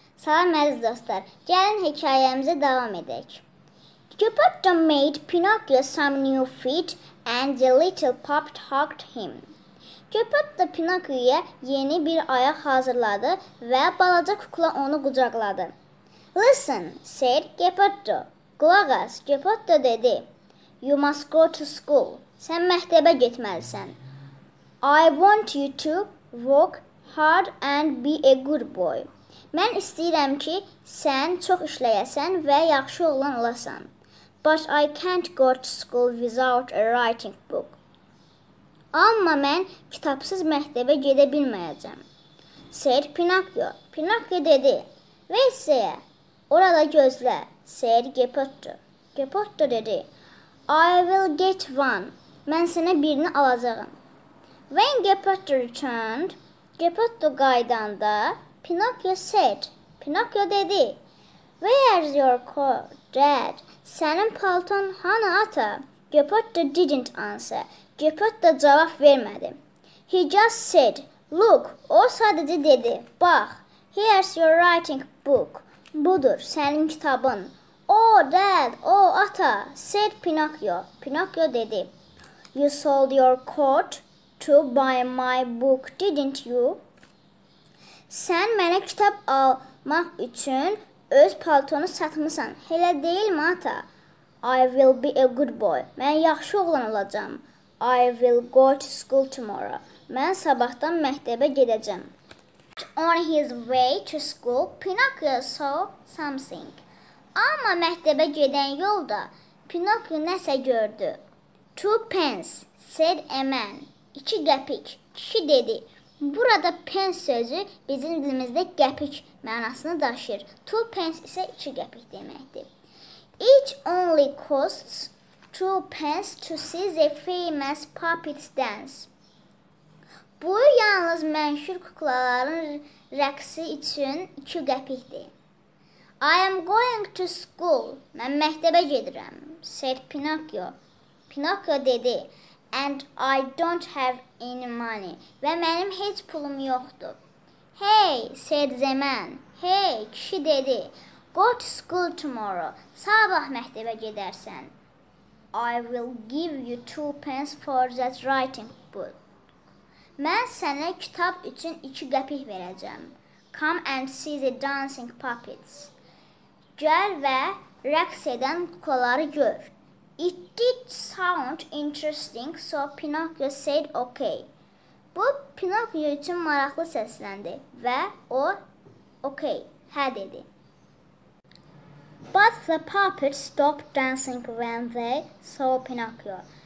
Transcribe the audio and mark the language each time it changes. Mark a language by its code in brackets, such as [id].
[az] Salam əziz dostlar, gəlin hekayəmizə davam edək. [en] Geppetto made Pinocchio some new feet and the little pup hugged him. [az] Geppetto Pinocchio'ya yeni bir ayaq hazırladı və balaca kukla onu qucaqladı. [en] Listen, said Geppetto. [az] Qulaq as, Geppetto dedi. [en] You must go to school. [az] Sən məktəbə getməlisən. [en] I want you to work hard and be a good boy. [az] Mən istəyirəm ki, sən çox işləyəsən və yaxşı oğlan olasan. [en] But I can't go to school without a writing book. [az] Amma mən kitabsız məktəbə gedə bilməyəcəm. [en] Said Pinocchio. [az] Pinocchio dedi. [en] Wait there. [az] Orada gözlə. [en] Said Geppetto. [az] Geppetto dedi. [en] I will get one. [az] Mən sənə birini alacağım. [en] When Geppetto returned, [az] Geppetto qayıdanda, [en] Pinocchio said, [az] Pinocchio dedi, [en] Where's your coat, Dad? [az] Sənin palton hanı ata? [en] Geppetto didn't answer. [az] Geppetto cavab vermədi. [en] He just said, Look, [az] o sadəcə dedi, Bax, [en] here's your writing book. [az] Budur, sənin kitabın. [en] Oh, Dad, [az] oh, ata, [en] said Pinocchio. [az] Pinocchio dedi, [en] You sold your coat to buy my book, didn't you? [az] Sən mənə kitab almaq üçün öz paltonu satmısan. Elə deyil mi ata? [en] I will be a good boy. [az] Mən yaxşı oğlan olacağım. [en] I will go to school tomorrow. [az] Mən sabahdan məktəbə gedəcəm. [en] On his way to school, Pinocchio saw something. [az] Amma məktəbə gedən yolda Pinocchio nəsə gördü. [en] Two pence, said a man. [az] İki qəpik, kişi dedi. Burada pens sözü bizim dilimizdə qəpik mənasını daşıyır. Two pence isə iki qəpik deməkdir. [en] It only costs two pence to see the famous puppets dance. [az] Bu yalnız məşhur kuklaların rəqsi üçün iki qəpikdir. [en] I am going to school. [az] Mən məktəbə gedirəm, [en] said Pinocchio. [az] Pinocchio dedi. [en] And I don't have any money. [az] Və mənim heç pulum yoxdur. [en] Hey, said the man. [az] Hey, kişi dedi. [en] Go to school tomorrow. [az] Sabah məktəbə gedərsən. [en] I will give you two pence for that writing book. [az] Mən sənə kitab üçün iki qəpik verəcəm. [en] Come and see the dancing puppets. [az] Gəl və rəqs edən kuklaları gör. [en] It did sound interesting, so Pinocchio said okay. [az] Bu, Pinocchio üçün maraqlı səsləndi və o, okay, hə dedi. [en] But the puppets stopped dancing when they saw Pinocchio.